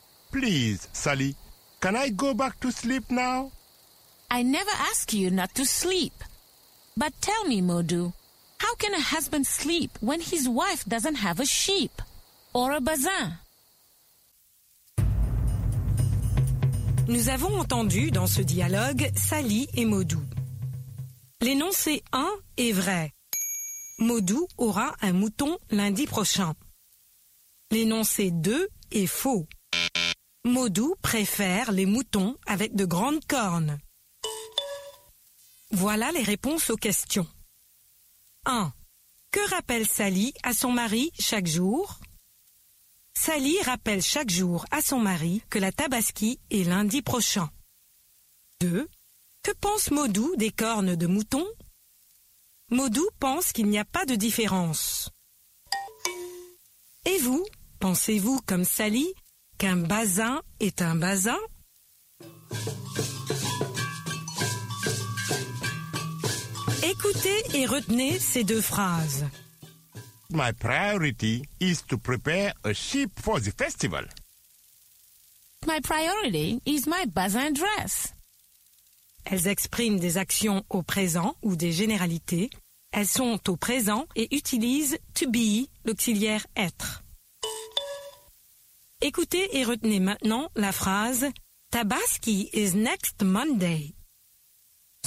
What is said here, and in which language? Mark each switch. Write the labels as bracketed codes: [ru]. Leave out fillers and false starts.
[en] Please, Sally, can I go back to sleep now? I never ask you not to sleep. But tell me, Maudou, how can a husband sleep when his wife doesn't have a sheep or a bazin? [fr] Nous avons entendu dans ce dialogue Sally et Maudou. L'énoncé 1 est vrai. Maudou aura un mouton lundi prochain. L'énoncé 2 est faux. Maudou préfère les moutons avec de grandes cornes. Voilà les réponses aux questions. 1. Que rappelle Sally à son mari chaque jour? Sally rappelle chaque jour à son mari que la Tabaski est lundi prochain. 2. Que pense Maudou des cornes de mouton? Maudou pense qu'il n'y a pas de différence. Et vous, pensez-vous comme Sally qu'un bazin est un bazin? Écoutez et retenez ces deux phrases. [en] My priority is to prepare a sheep for the festival. My priority is my bazin dress. [fr] Elles expriment des actions au présent ou des généralités. Elles sont au présent et utilisent « [en] to be [fr] », l'auxiliaire « être ». Écoutez et retenez maintenant la phrase « [en] Tabaski is next Monday ».